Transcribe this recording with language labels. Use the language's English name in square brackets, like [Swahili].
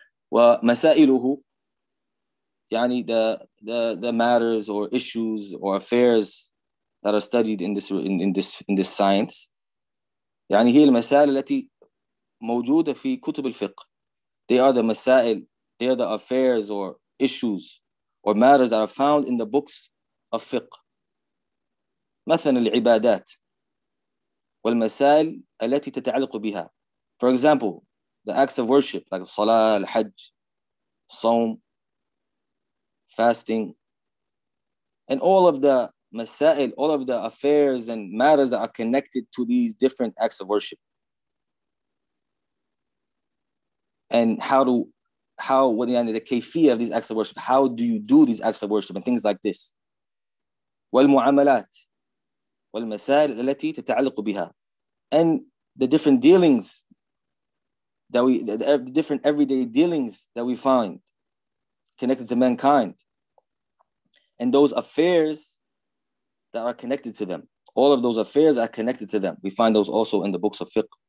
[Arabic] ومسائله يعني [English] the matters or issues or affairs that are studied in this in this science [Arabic] يعني هي المسائل التي موجودة في كتب الفقه. [English] They are the مسائل, they are the affairs or issues or matters that are found in the books of fiqh. [Arabic] مثلا العبادات والمسائل التي تتعلق بها. [English] For example, the acts of worship like الصلاة, الحج, الصوم, fasting, and all of the مسائل, all of the affairs and matters that are connected to these different acts of worship. And the كيفية of these acts of worship, how do you do these acts of worship and things like this. [Arabic] والمعاملات والمسائل التي تتعلق بها. [English] And the different dealings that the different everyday dealings that we find connected to mankind. And those affairs that are connected to them. All of those affairs are connected to them. We find those also in the books of fiqh.